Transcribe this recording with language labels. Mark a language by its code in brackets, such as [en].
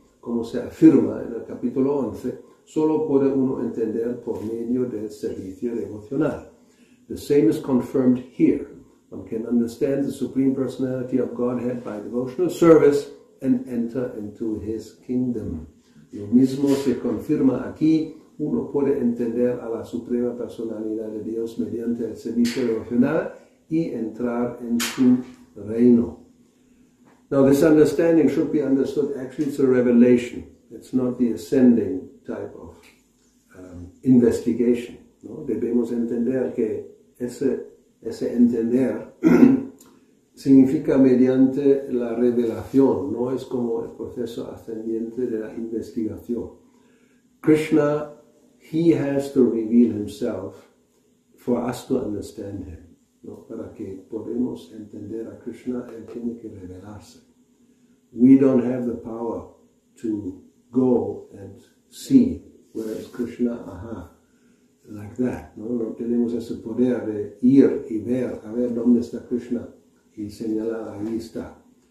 [es] Como se afirma en el capítulo 11, solo puede uno entender por medio del servicio devocional. [en] The same is confirmed here. One can understand the Supreme Personality of Godhead by devotional service and enter into His kingdom. [es] Lo mismo se confirma aquí. Uno puede entender a la Suprema Personalidad de Dios mediante el servicio devocional y entrar en su reino. [en] Now, this understanding should be understood, actually, it's a revelation. It's not the ascending type of investigation. [es] ¿No? Debemos entender que ese entender significa mediante la revelación, no es como el proceso ascendiente de la investigación. [en] Krishna, he has to reveal himself for us to understand him. [es] ¿no? Para que podamos entender a Krishna, él tiene que revelarse. [en] We don't have the power to go and see where is Krishna, ajá, like that. [es] ¿No? No tenemos ese poder de ir y ver, a ver dónde está Krishna y señalar ahí está.